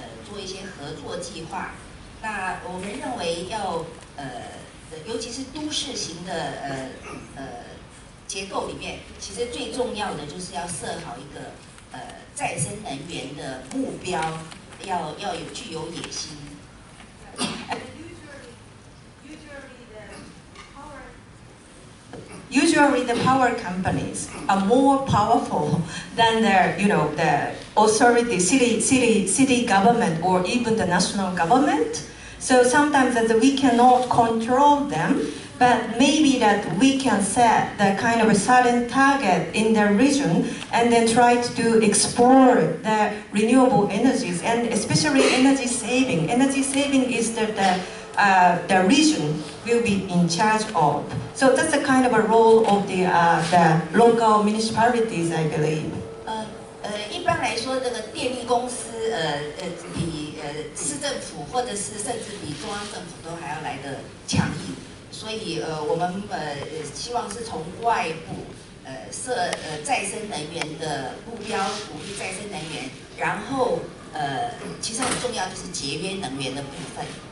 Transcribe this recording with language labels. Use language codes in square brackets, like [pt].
[zh] 做一些合作计划，那我们认为要尤其是都市型的结构里面，其实最重要的就是要设好一个再生能源的目标，要有具有野心。 [en] Usually the power companies are more powerful than their, you know, the authority, city government or even the national government. So sometimes that we cannot control them, but maybe that we can set the kind of a certain target in their region and then try to explore the renewable energies and especially energy saving. Energy saving is the region will be in charge of. So that's the kind of a role of the local municipalities, I believe. [zh] 一般来说，这个电力公司比市政府或者是甚至比中央政府都还要来得强硬。所以我们希望是从外部设再生能源的目标，鼓励再生能源，然后其实很重要就是节约能源的部分。